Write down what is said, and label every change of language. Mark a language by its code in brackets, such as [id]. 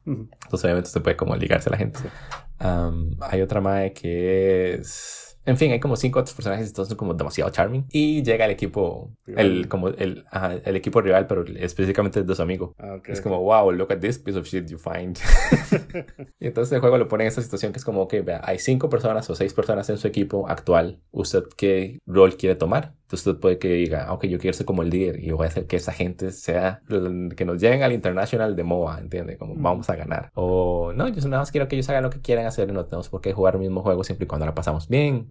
[es] Entonces, obviamente, se puede como ligarse a la gente. Hay otra mae que es. En fin, hay como 5 otros personajes y todos son como demasiado charming. Y llega el equipo, el Rival. como el, ajá, el equipo rival, pero específicamente de su amigo. [en] Okay, [es] Es como, [en] okay. wow, look at this piece of shit you find. [es] Y entonces el juego lo pone en esa situación que es como, ok, vea, hay 5 personas o 6 personas en su equipo actual. ¿Usted qué rol quiere tomar? Entonces usted puede que diga, ok, yo quiero ser como el líder y voy a hacer que esa gente sea, que nos lleven al International de MOBA, ¿entiendes? Como vamos a ganar. O no, yo nada más quiero que ellos hagan lo que quieran hacer y no tenemos por qué jugar el mismo juego siempre y cuando la pasamos bien.